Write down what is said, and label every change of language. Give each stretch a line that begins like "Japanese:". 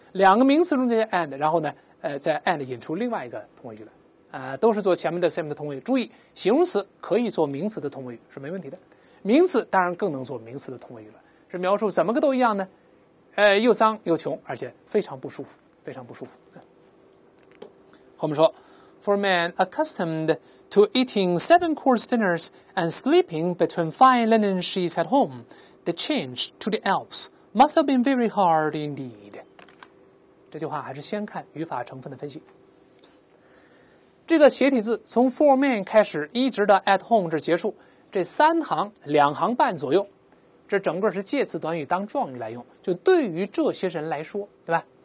Chinese: 两个名词中间 and， 然后呢再 and 引出另外一个同位语来。都是做前面的 same 的同位语。注意，形容词可以做名词的同位语是没问题的。名词当然更能做名词的同位语了。这描述怎么个都一样呢？又脏又穷，而且非常不舒服，非常不舒服。我们说
English: ，For man accustomed to eating 7-course dinners and sleeping between 5 linen sheets at home, the change to the Alps must have been very hard indeed.
Chinese: 这句话还是先看语法成分的分析。这个斜体字从 for man 开始，一直到 at home 这结束，这三行两行半左右。这整个是介词短语当状语来用，就对于这些人来说，对吧？